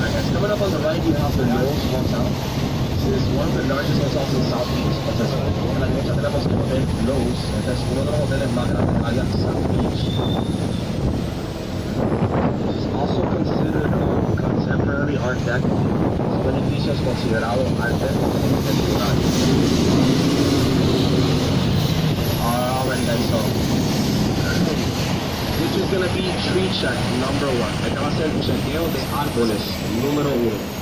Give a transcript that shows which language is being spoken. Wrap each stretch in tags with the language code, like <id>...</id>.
<en>Coming up on the right, you have the Knowles Hotel. This is one of the largest hotels in Southeast.</en> <es>O sea, en la derecha tenemos el hotel Knowles. Este es uno de los hoteles más grandes del área de Southeast.</es> <en>This is also considered a contemporary Art Deco.</en> <es>Este edificio es considerado Art Deco contemporáneo.</es> <en>Which is going to be tree check number one.</en> <es>Acá va a ser un chequeo de árboles número uno.</es>